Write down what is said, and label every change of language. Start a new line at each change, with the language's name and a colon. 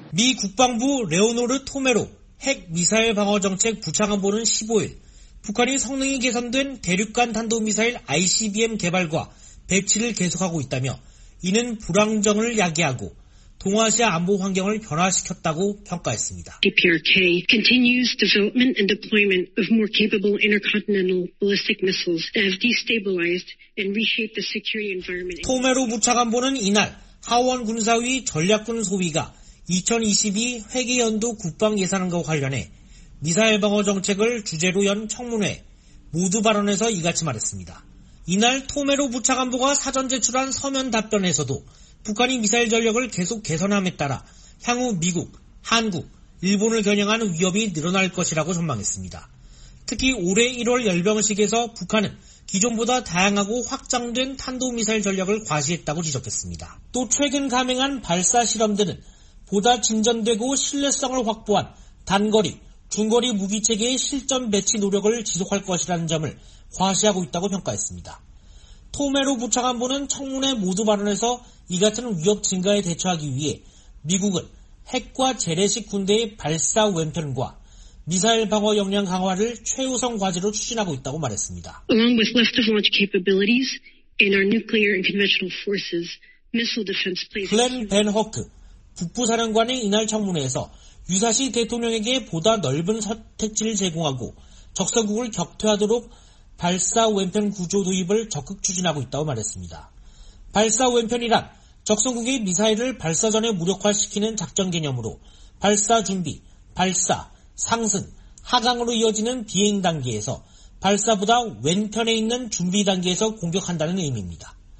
Korean: 미 국방부 레오노르 토메로 핵미사일 방어정책 부차관보는 15일 북한이 성능이 개선된 대륙간 탄도미사일 ICBM 개발과 배치를 계속하고 있다며 이는 불황정을 야기하고 동아시아 안보 환경을 변화시켰다고 평가했습니다.
English: DPRK continues development and deployment of more capable intercontinental ballistic missiles that have destabilized and reshaped the security environment.
Korean: 토메로 부차관보는 이날 하원 군사위 전략군 소비가 2022 회계연도 국방 예산과 관련해 미사일 방어 정책을 주제로 연 청문회 모두 발언에서 이같이 말했습니다. 이날 토메로 부차관보가 사전 제출한 서면 답변에서도 북한이 미사일 전력을 계속 개선함에 따라 향후 미국, 한국, 일본을 겨냥한 위협이 늘어날 것이라고 전망했습니다. 특히 올해 1월 열병식에서 북한은 기존보다 다양하고 확장된 탄도미사일 전력을 과시했다고 지적했습니다. 또 최근 감행한 발사 실험들은 보다 진전되고 신뢰성을 확보한 단거리, 중거리 무기체계의 실전 배치 노력을 지속할 것이라는 점을 과시하고 있다고 평가했습니다. 토메로 부차관보는 청문회 모두 발언에서 이 같은 위협 증가에 대처하기 위해 미국은 핵과 재래식 군대의 발사 왼편과 미사일 방어 역량 강화를 최우선 과제로 추진하고 있다고 말했습니다.
English: Along with left of launch capabilities in our nuclear and conventional forces, missile defense plays.
Korean: 글렌 벤 허크 북부사령관의 이날 청문회에서 유사시 대통령에게 보다 넓은 선택지를 제공하고 적성국을 격퇴하도록 발사 왼편 구조 도입을 적극 추진하고 있다고 말했습니다. 발사 왼편이란 적성국이 미사일을 발사 전에 무력화시키는 작전 개념으로 발사 준비, 발사, 상승, 하강으로 이어지는 비행 단계에서 발사보다 왼편에 있는 준비 단계에서 공격한다는 의미입니다.